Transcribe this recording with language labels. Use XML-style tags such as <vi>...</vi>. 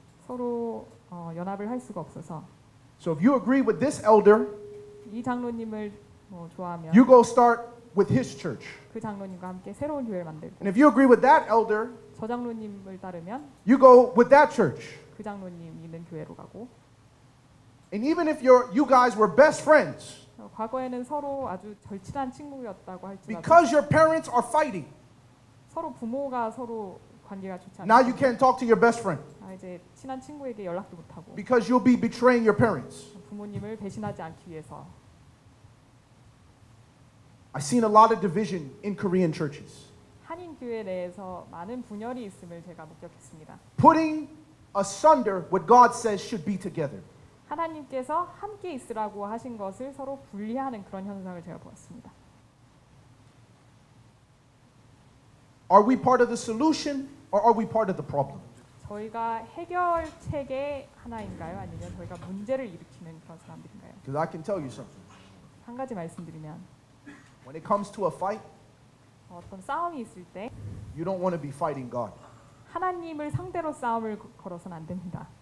<ko>서로 연합을 할 수가 없어서</ko> <en>So if you agree with this elder</en> <ko>이 장로님을 좋아하면</ko> <en>you go start with his church.</en> <ko>그 장로님과 함께 새로운 교회를 만들고</ko> <en>And if you agree with that elder</en> <ko>저 장로님을 따르면</ko> <en>you go with that church.</en> <ko>그 장로님 있는 교회로 가고</ko> <en>And even if you guys were best friends</en> <ko>과거에는 서로 아주 절친한 친구였다고 할지라도</ko> <en>Because your parents are fighting</en> <ko>서로 부모가 서로 관계가 좋지 않아</ko> <en>Now you can't talk to your best friend.</en> <ko>이제 친한 친구에게 연락도 못 하고</ko> <en>Because you'll be betraying your parents.</en> <ko>부모님을 배신하지 않기 위해서</ko> <en>I've seen a lot of division in Korean churches.</en> <ko>한인 교회 내에서 많은 분열이 있음을 제가 목격했습니다.</ko> <en>Putting asunder what God says should be together.</en> <ko>하나님께서 함께 있으라고 하신 것을 서로 분리하는 그런 현상을 제가 보았습니다.</ko> <en>Are we part of the solution or are we part of the problem?</en> <ko>저희가 해결책의 하나인가요? 아니면 저희가 문제를 일으키는 그런 사람들인가요?</ko> <en>Because I can tell you something.</en> <ko>한 가지 말씀드리면</ko> <en>When it comes to a fight,</en> <ko>어떤 싸움이 있을 때,</ko> <en>you don't want to be fighting God.</en> <ko>하나님을 상대로 싸움을 걸어서는 안 됩니다.</ko>